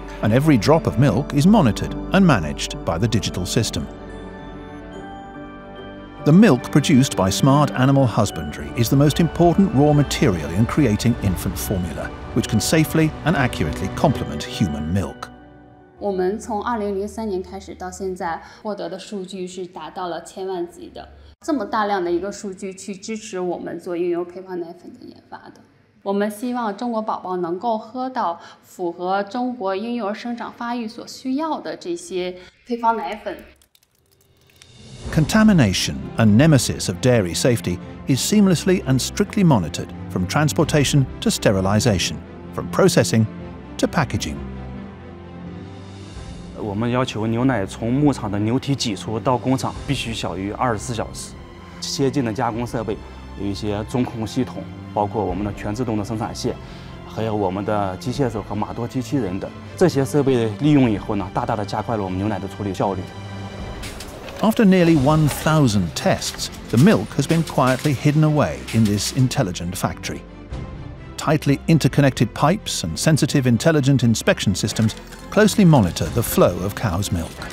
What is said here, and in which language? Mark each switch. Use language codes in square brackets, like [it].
[en] And every drop of milk is monitored and managed by the digital system. The milk produced by smart animal husbandry is the most important raw material in creating infant formula, which can safely and accurately complement human milk. [zh] 我们从2003年开始到现在获得的数据是达到了千万级的，这么大量的一个数据去支持我们做婴儿配方奶粉的研发的。我们希望中国宝宝能够喝到符合中国婴幼儿生长发育所需要的这些配方奶粉。 [en] Contamination, a nemesis of dairy safety, is seamlessly and strictly monitored from transportation to sterilization, from processing to packaging. [zh] 我们要求牛奶从牧场的牛体挤出到工厂必须小于24小时，先进的加工设备，有一些中控系统，包括我们的全自动的生产线，还有我们的机械手和马多机器人等，这些设备的利用以后呢，大大的加快了我们牛奶的处理效率。 [en] After nearly 1,000 tests, the milk has been quietly hidden away in this intelligent factory. Tightly interconnected pipes and sensitive intelligent inspection systems closely monitor the flow of cow's milk.